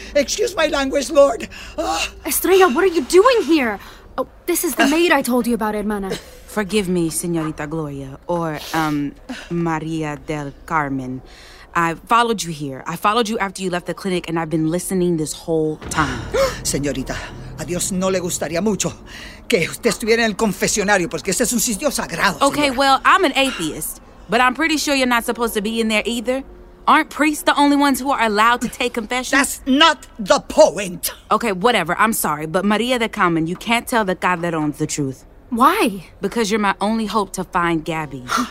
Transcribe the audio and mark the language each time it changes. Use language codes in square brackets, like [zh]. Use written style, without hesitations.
[en] Excuse my language, Lord. Estrella, what are you doing here? Oh, this is the maid I told you about, hermana. Forgive me, Señorita Gloria, or, Maria del Carmen. I followed you here. I followed you after you left the clinic, and I've been listening this whole time. [es] Señorita, a Dios no le gustaría mucho que usted estuviera en el confesionario, porque ese es un sitio sagrado, señora. [en] Okay, well, I'm an atheist, but I'm pretty sure you're not supposed to be in there either. Aren't priests the only ones who are allowed to take confessions? That's not the point. Okay, whatever. I'm sorry, but Maria del Carmen, you can't tell the God that owns the truth. Why? Because you're my only hope to find Gabby.